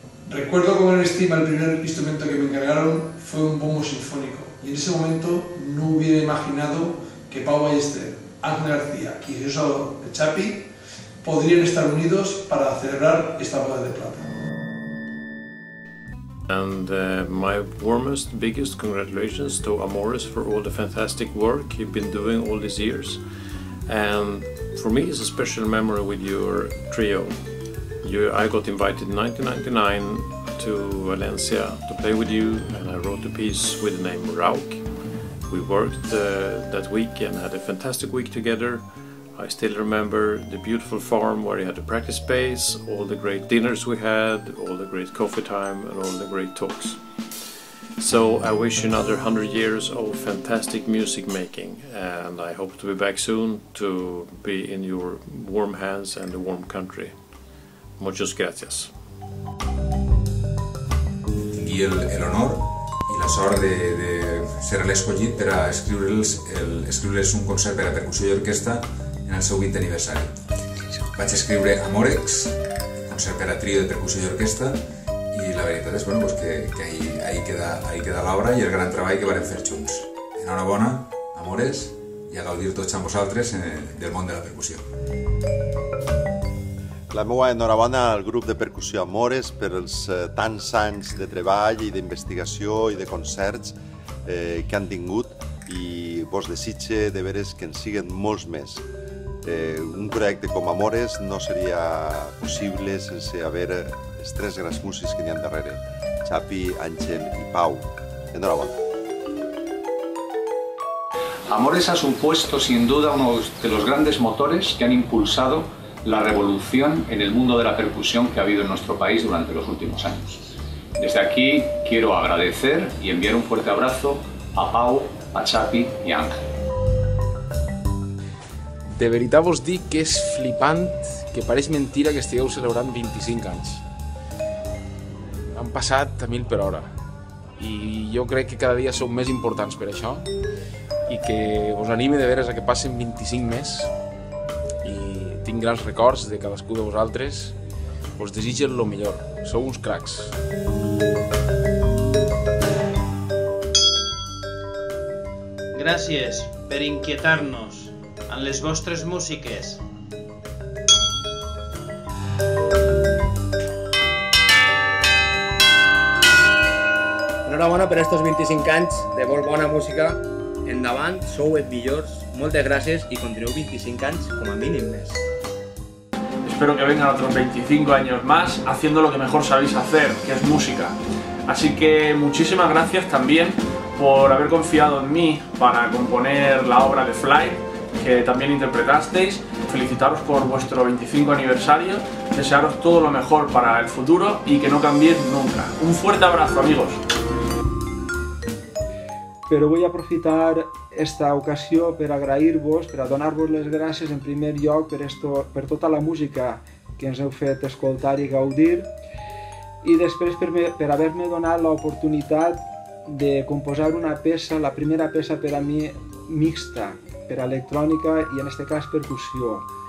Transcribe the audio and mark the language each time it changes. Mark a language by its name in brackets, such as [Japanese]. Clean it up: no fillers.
[Spanish] Recuerdo con gran estima el primer instrumento que me encargaron, fue un bombo sinfónico, y en ese momento no hubiera imaginado que Pau Ballester, Ángel García y Jesús Salvador de Chapi podrían estar unidos para celebrar esta boda de plata. [English] And my warmest, biggest congratulations to Amores for all the fantastic work you've been doing all these years. And for me, it's a special memory with your trio. I got invited in 1999 to Valencia to play with you, and I wrote a piece with the name Rauk. We worked that week and had a fantastic week together. I still remember the beautiful farm where you had the practice space, all the great dinners we had, all the great coffee time, and all the great talks. So I wish you another 100 years of fantastic music making, and I hope to be back soon to be in your warm hands and a warm country. [Spanish] Muchas gracias. [Catalan] Y el honor y la sort de ser l'escollit per a escriure-les un concert per a percussió i orquestra en el seu 20 aniversari. Vaig escriure Amorex, concert per a trio de percussió i orquestra, i la veritat és, [Spanish] bueno, pues que ahí queda la obra [Catalan] i el gran treball que varen fer junts. Enhorabona, amores, i a gaudir tots amb vosaltres del món de la percussió. La meva enhorabona al grup de percussió Amores per els tants anys de treball i d'investigació i de concerts que han tingut, i vos desitge de veres que en siguen molts més. Un projecte com Amores no seria possible sense haver els tres grans músics que n'hi ha darrere, Xapi, Àngel i Pau. Enhorabona. [Spanish] Amores ha supuesto sin duda uno de los grandes motores que han impulsado la revolución en el mundo de la percusión que ha habido en nuestro país durante los últimos años. Desde aquí quiero agradecer y enviar un fuerte abrazo a Pau, a Xapi y a Ángel. [Catalan] De veritat vos dic que és flipant, que pareix mentira que estigueu celebrant 25 anys. Han passat a mil per hora i jo crec que cada dia sou més importants per això i que us anime de veres a que passin 25 més. I tinc grans records de cadascú de vosaltres. Us desitjo el millor. Sou uns cracs. Gràcies per inquietar-nos amb les vostres músiques. Enhorabona per aquests 25 anys de molt bona música. Endavant, sou els millors. Moltes gràcies i continueu 25 anys com a mínim més. [Spanish] Espero que vengan otros 25 años más haciendo lo que mejor sabéis hacer, que es música. Así que muchísimas gracias también por haber confiado en mí para componer la obra de Fly, que también interpretasteis. Felicitaros por vuestro 25 aniversario. Desearos todo lo mejor para el futuro y que no cambiéis nunca. Un fuerte abrazo, amigos. [Catalan] Però vull aprofitar esta ocasió per agrair-vos, per a donar-vos les gràcies en primer lloc per tota la música que ens heu fet escoltar i gaudir, i després per haver-me donat l'oportunitat de composar una peça, la primera peça per a mi mixta, per a electrònica i en este cas percussió.